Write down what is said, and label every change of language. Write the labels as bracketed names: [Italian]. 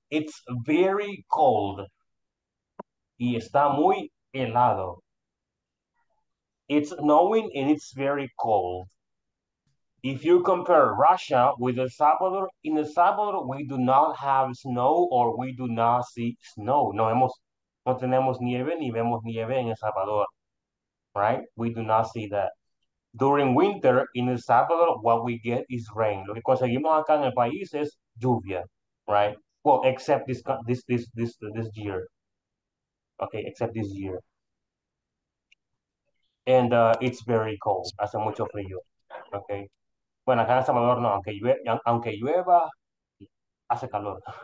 [Spanish] It's very cold. Y está muy helado. [English] It's snowing and it's very cold. If you compare Russia with El Salvador, in El Salvador we do not have snow or we do not see snow. [Spanish] No tenemos nieve ni vemos nieve en El Salvador. [English] Right? We do not see that. During winter in El Salvador, what we get is rain. [Spanish] Lo que conseguimos acá en el país es lluvia, right? [English] Well, except this year. Okay, except this year. And it's very cold. Hace mucho frío. Okay. [Spanish] Bueno, acá en El Salvador no, aunque llueva, hace calor.